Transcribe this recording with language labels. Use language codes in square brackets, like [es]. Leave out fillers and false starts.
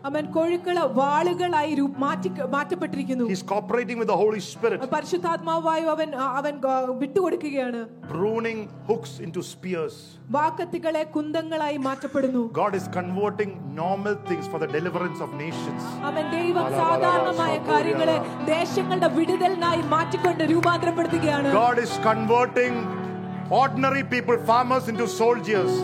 [ml] അവൻ കൊഴുക്കള വാളുകളായി മാറ്റപ്പെട്ടിരിക്കുന്നു. [en] He is cooperating with the Holy Spirit. [ml] പരിശുദ്ധാത്മാവായി അവൻ വിട്ടുകൊടുക്കുകയാണ്. [en] Pruning hooks into spears. [ml] വാക്കത്തികളെ കുന്തങ്ങളായി മാറ്റപ്പെടുന്നു. [en] God is converting normal things for the deliverance of nations. [ml] അവൻ ദൈവം സാധാരണമായ കാര്യങ്ങളെ ദേശങ്ങളുടെ വിടുതലിനായി മാറ്റിക്കൊണ്ട് രൂപാന്തരപ്പെടുത്തുകയാണ്. [en] God is converting ordinary people farmers into soldiers